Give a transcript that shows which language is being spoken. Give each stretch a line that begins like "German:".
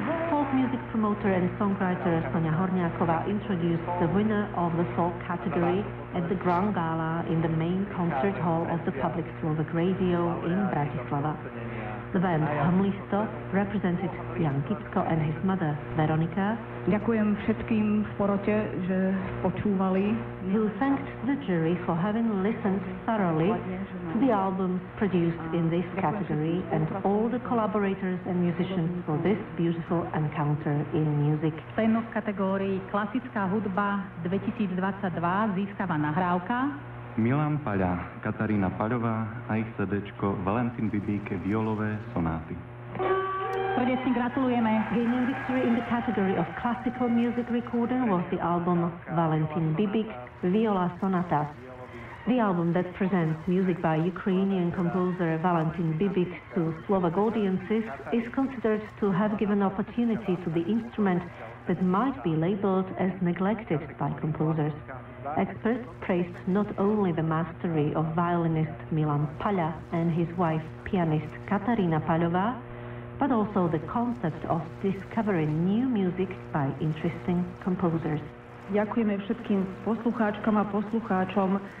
English: Folk music promoter and songwriter Sonia Horniaková introduced the winner of the folk category at the Grand Gala in the main concert hall of the Public Slovak Radio in Bratislava. The band Hmlisto represented Jan Kitko and his mother Veronika.
Slovak: Ďakujem všetkým v porote, že počúvali.
English: He thanked the jury for having listened thoroughly to the albums produced in this category and all the collaborators and musicians for this beautiful encounter in music.
Slovak: V tejnoch kategórii klasická hudba 2022 získava nahrávka Milan Paľa, Katarína Paľová a ich CDčko Valentín Bibíke violové sonáty. Srdečne gratulujeme.
English: Gaining victory in the category of classical music recorder was the album Valentín Bibík Viola Sonata. The album that presents music by Ukrainian composer Valentín Bibík to Slovak audiences is considered to have given opportunity to the instrument that might be labeled as neglected by composers. Experts praised not only the mastery of violinist Milan Paľa and his wife, pianist Katarína Paľová, but also the concept of discovering new music by interesting composers.
Slovak: Ďakujeme všetkým poslucháčkom a poslucháčom.